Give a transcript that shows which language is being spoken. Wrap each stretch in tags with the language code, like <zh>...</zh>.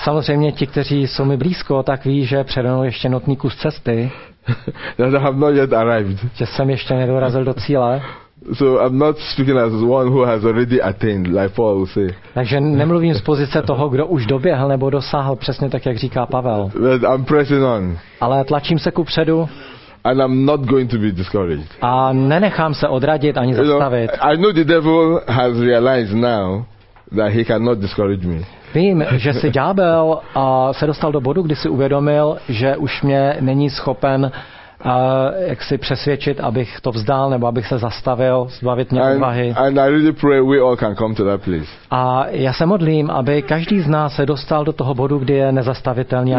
<cs>Samozřejmě ti, kteří jsou mi blízko, tak ví, že přede mnou ještě notný kus cesty.</cs> <en>That I have not yet arrived.</en> <cs>Že jsem ještě nedorazil do cíle.</cs> <en>So I'm not speaking as one who has already attained, like Paul would say.</en> <cs>Takže nemluvím z pozice toho, kdo už doběhl nebo dosáhl, přesně tak, jak říká Pavel.</cs> <en>But I'm pressing on.</en> <cs>Ale tlačím se kupředu.</cs> <en>And I'm not going to be discouraged.</en> <cs>A nenechám se odradit ani zastavit.</cs> <en>You know, I know the devil has realized now that he cannot discourage me.</en> <cs>Vím, že si ďábel se dostal do bodu, kdy si uvědomil, že už mě není schopen jak si přesvědčit, abych to vzdal, nebo abych se zastavil, zbavit mě odvahy.</cs> <en>Really,</en> <cs>a já se modlím, aby každý z nás se dostal do toho bodu, kdy je nezastavitelný a</cs>